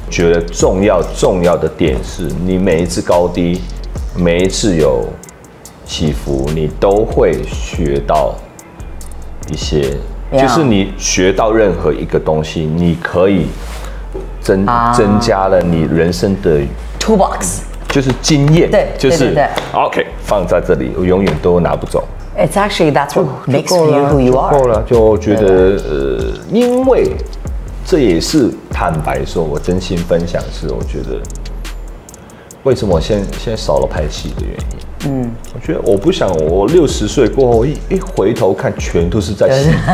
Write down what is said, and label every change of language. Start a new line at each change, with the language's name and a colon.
Chinese: 觉得重要的点是你每一次高低，每一次有起伏，你都会学到一些， yeah. 就是你学到任何一个东西，你可以。增加了你人生的
English: toolbox，
Chinese: 就是经验，对，就是 OK， 放在这里，我永远都拿不走。
English: It's actually that's what makes you who you are。
Chinese: 够了，就觉得因为这也是坦白说，我真心分享是，我觉得为什么我现在少了拍戏的原因。我觉得我不想，我六十岁过后一回头看，全都是在戏。